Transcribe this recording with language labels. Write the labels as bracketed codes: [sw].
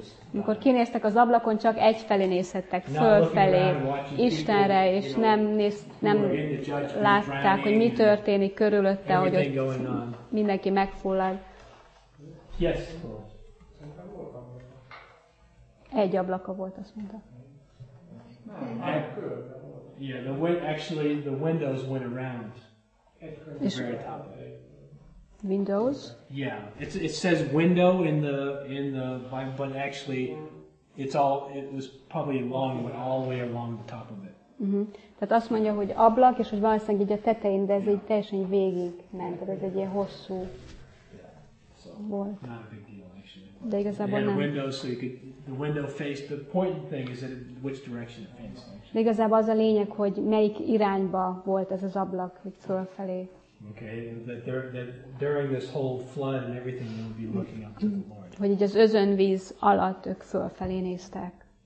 [hu] Mikor kinéztek az ablakon, csak egyfelé nézhettek, fölfelé, Istenre, és nem látták, hogy mi történik körülötte, hogy mindenki megfullad. [en] Yes, [hu] egy ablaka volt, azt mondta. [en] Yeah, the wind, actually the windows went around. Windows? Yeah, it says window in the Bible, but actually it was probably long, went all the way along the top of it. Mm-hmm. [hu] Tehát azt mondja, hogy ablak, és hogy valószínűleg így a tetején, de ez yeah. Így teljesen végig ment, ez egy ilyen hosszú yeah. [en] So, [hu] volt. [en] Not a big deal, actually. [hu] De igazából nem. [en] The window faced the important thing is that it, which direction it faced. [hu] De igazából az a lényeg, hogy melyik irányba volt ez az ablak, hogy fölfelé. [en] Okay, that during this whole flood and everything, they would be looking up to the Lord. [hu] Hogy így az özönvíz alatt ők fölfelé néztek.